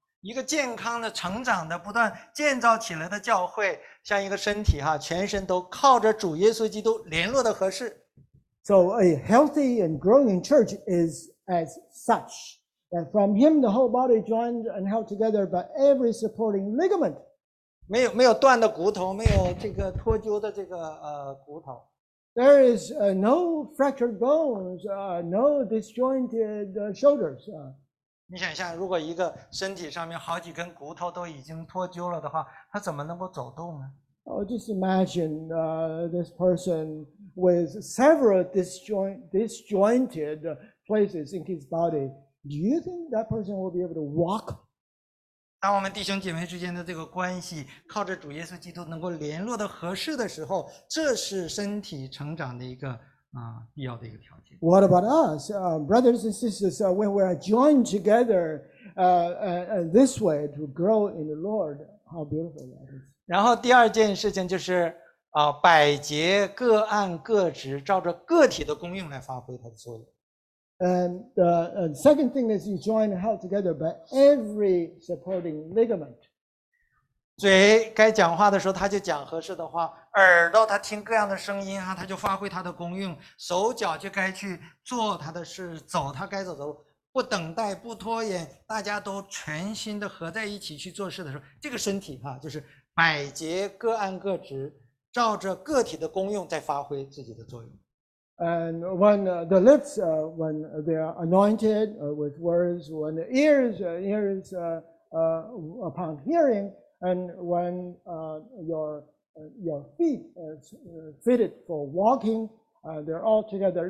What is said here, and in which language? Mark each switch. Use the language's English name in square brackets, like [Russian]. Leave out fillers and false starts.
[Chinese] 一个健康的、成长的、不断建造起来的教会，像一个身体哈，全身都靠着主耶稣基督联络的合适。 [English] So a healthy and growing church is as such. That from him the whole body joined and held together by every supporting ligament. [Chinese] 没有断的骨头，没有这个脱臼的这个骨头。 [English] There is no fractured bones, no disjointed shoulders. [Chinese] 你想象如果一个身体上面好几根骨头都已经脱臼了的话，他怎么能够走动呢？ [English] Oh, just imagine this person with several disjointed places in his body. Do you think that person will be able to walk? [Chinese] 当我们弟兄姐妹之间的这个关系靠着主耶稣基督能够联络的合适的时候，这是身体成长的一个必要的一个条件。 [English] What about us, brothers and sisters? When we are joined together this way to grow in the Lord, how beautiful that is. [Chinese] 然后第二件事情就是百节各按各职，照着个体的功用来发挥它的作用。 [English] And the second thing is you join and held together by every supporting ligament. [Chinese] 嘴该讲话的时候，他就讲合适的话；耳朵他听各样的声音啊，他就发挥他的功用；手脚就该去做他的事，走他该走的路，不等待，不拖延。大家都全心的合在一起去做事的时候，这个身体哈，就是百节各按各职。照着个体的功用在发挥自己的作用。 [English] And when the lips, when they are anointed with words, when the ears, ears upon hearing, and when your feet is fitted for walking, they're all together.